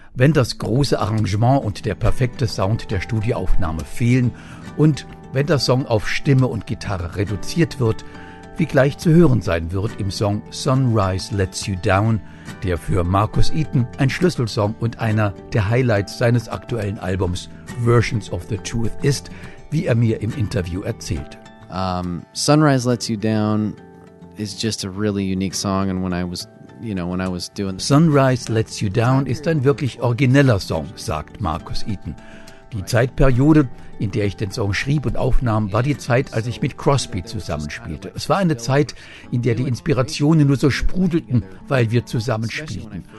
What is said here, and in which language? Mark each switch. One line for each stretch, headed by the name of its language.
German: Wenn das große Arrangement und der perfekte Sound der Studioaufnahme fehlen und wenn der Song auf Stimme und Gitarre reduziert wird, wie gleich zu hören sein wird im Song Sunrise Lets You Down, der für Marcus Eaton ein Schlüsselsong und einer der Highlights seines aktuellen Albums Versions of the Truth ist, wie er mir im Interview erzählt.
English: Sunrise Lets You Down is just a really unique song, and when I was, you know, when I was doing
German: Sunrise Lets You Down ist ein wirklich origineller Song, sagt Marcus Eaton. Die Zeitperiode, in der ich den Song schrieb und aufnahm, war die Zeit, als ich mit Crosby zusammenspielte. Es war eine Zeit, in der die Inspirationen nur so sprudelten, weil wir zusammenspielten.